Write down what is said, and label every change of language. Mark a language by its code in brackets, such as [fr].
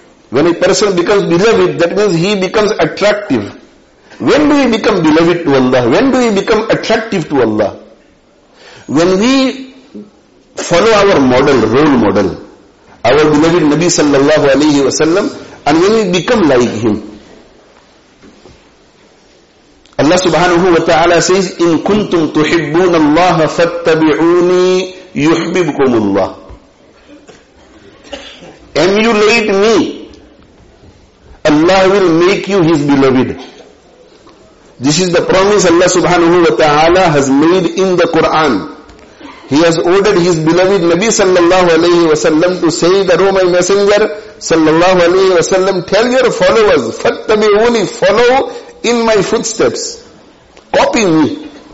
[en] When a person becomes beloved, that means he becomes attractive. When do we become beloved to Allah? When do we become attractive to Allah? When we follow our model, role model, our beloved Nabi sallallahu alayhi wa sallam, and when we become like him. Allah subhanahu wa ta'ala says, [ar] إِن كُنْتُمْ تُحِبُّونَ اللَّهَ فَاتَّبِعُونِي يُحْبِبْكُمُ اللَّهِ. [en] Emulate me. Allah will make you his beloved. This is the promise Allah subhanahu wa ta'ala has made in the Quran. He has ordered his beloved Nabi sallallahu alayhi wa sallam to say that, O my messenger sallallahu alayhi wa sallam, tell your followers, fattabi'uni, follow in my footsteps. Copy me.